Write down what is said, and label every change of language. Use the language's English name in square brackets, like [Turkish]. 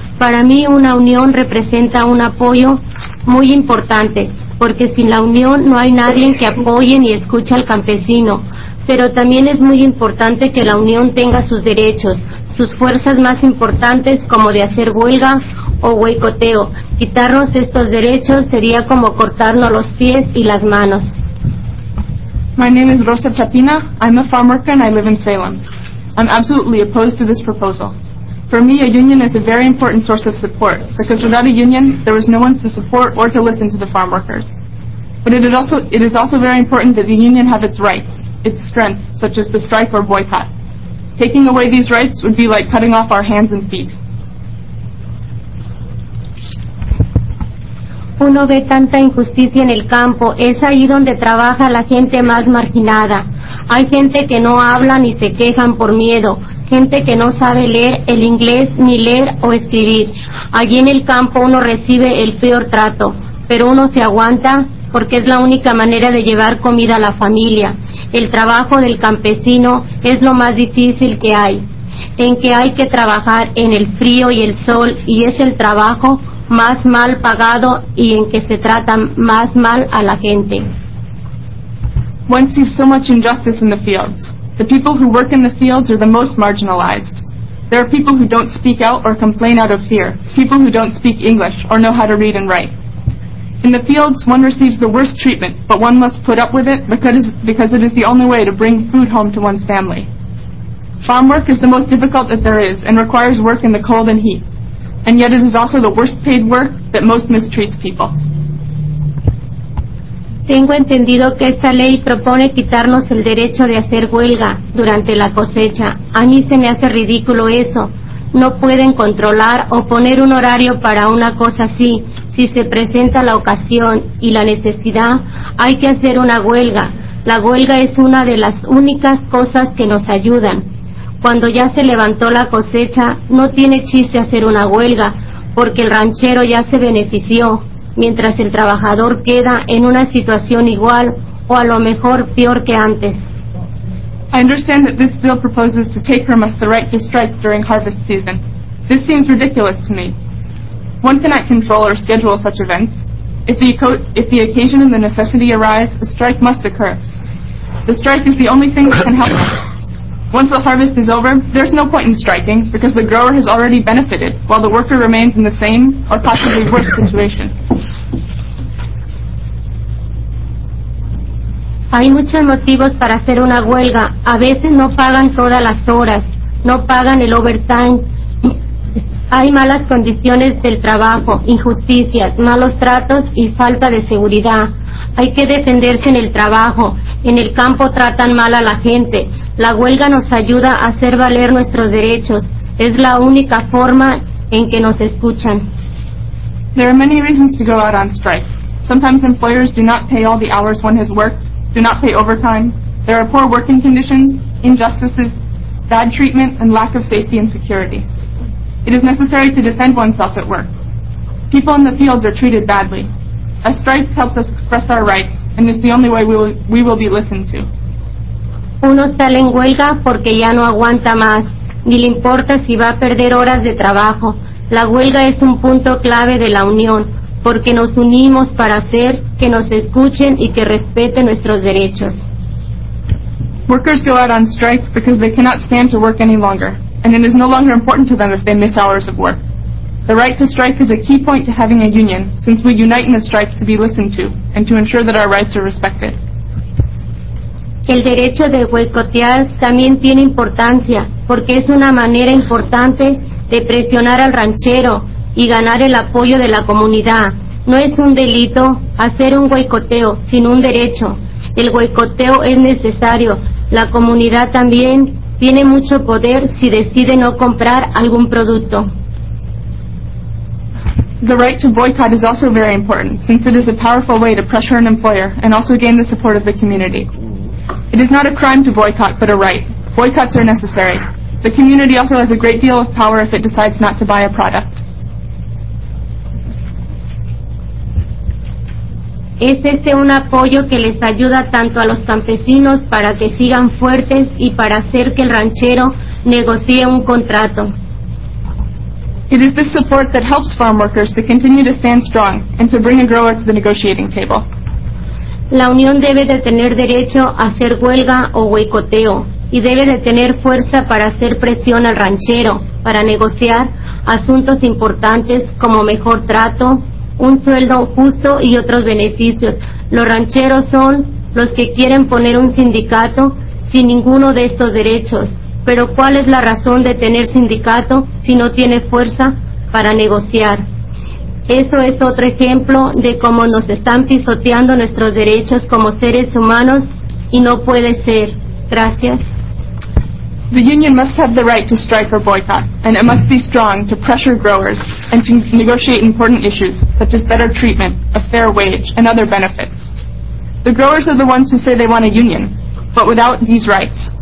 [Spanish] Para mí una unión representa un apoyo muy importante, porque sin la unión no hay nadie que apoye ni escuche al campesino. Pero también es muy importante que la unión tenga sus derechos, sus fuerzas más importantes como de hacer huelga o boicoteo. Quitarnos estos derechos sería como cortarnos los pies y las manos. [English] My name is Rosa Chapina. I'm a farm worker and I live in Ceylon. I'm absolutely opposed to this proposal. For me, a union is a very important source of support, because without a union, there is no one to support or to listen to the farm workers. But it is also very important that the union have its rights, its strength, such as the strike or boycott. Taking away these rights would be like cutting off our hands and feet. [Spanish] Uno ve tanta injusticia en el campo. Es ahí donde trabaja la gente más marginada. Hay gente que no habla ni se quejan por miedo. Gente que no sabe leer el inglés ni leer o escribir. Allí en el campo uno recibe el peor trato, pero uno se aguanta porque es la única manera de llevar comida a la familia. El trabajo del campesino es lo más difícil que hay, en que hay que trabajar en el frío y el sol, y es el trabajo más mal pagado y en que se trata más mal a la gente. [English] One sees so much injustice in the fields. The people who work in the fields are the most marginalized. There are people who don't speak out or complain out of fear, people who don't speak English or know how to read and write. In the fields, one receives the worst treatment, but one must put up with it because it is the only way to bring food home to one's family. Farm work is the most difficult that there is and requires work in the cold and heat. And yet it is also the worst paid work that most mistreats people. [Spanish] Tengo entendido que esta ley propone quitarnos el derecho de hacer huelga durante la cosecha. A mí se me hace ridículo eso. No pueden controlar o poner un horario para una cosa así. Si se presenta la ocasión y la necesidad, hay que hacer una huelga. La huelga es una de las únicas cosas que nos ayudan. Cuando ya se levantó la cosecha, no tiene chiste hacer una huelga, porque el ranchero ya se benefició, mientras el trabajador queda en una situación igual o a lo mejor peor que antes. [English] I understand that this bill proposes to take from us the right to strike during harvest season. This seems ridiculous to me. One cannot control or schedule such events. If the occasion and the necessity arise, a strike must occur. The strike is the only thing that can help us. Once the harvest is over, there's no point in striking because the grower has already benefited while the worker remains in the same or possibly worse situation. [Spanish] Hay muchos motivos para hacer una huelga. A veces no pagan todas las horas, no pagan el overtime. Hay malas condiciones del trabajo, injusticias, malos tratos y falta de seguridad. Hay que defenderse en el trabajo. En el campo tratan mal a la gente. La huelga nos ayuda a hacer valer nuestros derechos. Es la única forma en que nos escuchan. [English] There are many reasons to go out on strike. Sometimes employers do not pay all the hours one has worked, do not pay overtime. There are poor working conditions, injustices, bad treatment, and lack of safety and security. It is necessary to defend oneself at work. People in the fields are treated badly. A strike helps us express our rights, and is the only way we will be listened to. [Spanish] Uno sale en huelga porque ya no aguanta más, ni le importa si va a perder horas de trabajo. La huelga es un punto clave de la unión, porque nos unimos para hacer que nos escuchen y que respeten nuestros derechos. [English] Workers go out on strike because they cannot stand to work any longer, and it is no longer important to them if they miss hours of work. The right to strike is a key point to having a union, since we unite in the strike to be listened to and to ensure that our rights are respected. [Spanish] El derecho de boicotear también tiene importancia, porque es una manera importante de presionar al ranchero y ganar el apoyo de la comunidad. No es un delito hacer un boicoteo, sino un derecho. El boicoteo es necesario. La comunidad también tiene mucho poder si decide no comprar algún producto. [English] The right to boycott is also very important, since it is a powerful way to pressure an employer and also gain the support of the community. It is not a crime to boycott, but a right. Boycotts are necessary. The community also has a great deal of power if it decides not to buy a product. [Spanish] Es este un apoyo que les ayuda tanto a los campesinos para que sigan fuertes y para hacer que el ranchero negocie un contrato. [English] It is this support that helps farm workers to continue to stand strong and to bring a grower to the negotiating table. [Spanish] La unión debe de tener derecho a hacer huelga o boicoteo y debe de tener fuerza para hacer presión al ranchero para negociar asuntos importantes como mejor trato, un sueldo justo y otros beneficios. Los rancheros son los que quieren poner un sindicato sin ninguno de estos derechos. Pero ¿cuál es la razón de tener sindicato si no tiene fuerza para negociar? Eso es otro ejemplo de cómo nos están pisoteando nuestros derechos como seres humanos y no puede ser. Gracias. [English] The union must have the right to strike or boycott, and it must be strong to pressure growers and to negotiate important issues such as better treatment, a fair wage, and other benefits. The growers are the ones who say they want a union, but without these rights.